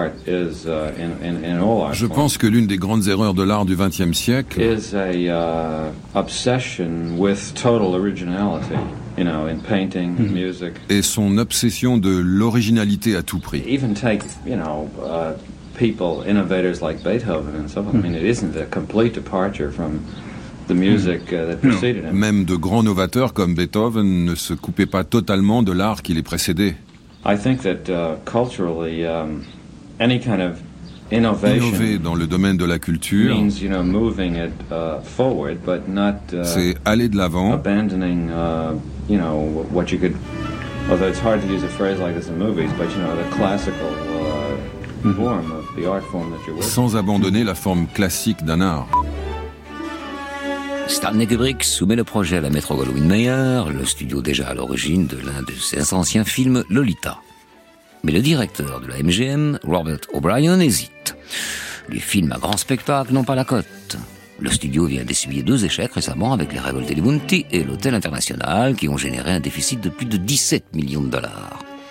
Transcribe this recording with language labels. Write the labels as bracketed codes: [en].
[fr] je pense que l'une des grandes erreurs de l'art du XXe siècle [en] is a obsession with total originality, you know, in painting, music. [fr] Et son obsession de l'originalité à tout prix. [en] Even take, you know, people, innovators like Beethoven and so on. I mean, it isn't a complete departure from the music that preceded him. [fr] Même de grands novateurs comme Beethoven ne se coupaient pas totalement de l'art qui les précédait. [en] I think that culturally, any kind of innovation [fr] innover dans le domaine de la culture [en] means, you know, moving it forward, but not [fr] c'est aller de l'avant, [en] abandoning, you know, what you could. Although it's hard to use a phrase like this in movies, but you know, the classical form of the art form that you're working. [fr] Sans abandonner la forme classique d'un art. Stanley Kubrick soumet le projet à la Metro-Goldwyn-Mayer, le studio déjà à l'origine de l'un de ses anciens films, Lolita. Mais le directeur de la MGM, Robert O'Brien, hésite. Les films à grand spectacle n'ont pas la cote. Le studio vient d'essuyer deux échecs récemment avec les révoltés de Bounty et l'Hôtel International qui ont généré un déficit de plus de 17 millions de dollars.